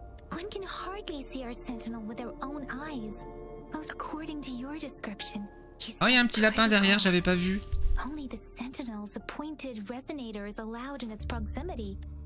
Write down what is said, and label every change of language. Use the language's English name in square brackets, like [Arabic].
[English] One can hardly see our sentinel with their own eyes. Both according to your description. [French] Oh, il y a un petit lapin derrière, j'avais pas vu. [English] Only the sentinel's appointed resonator is allowed in its proximity.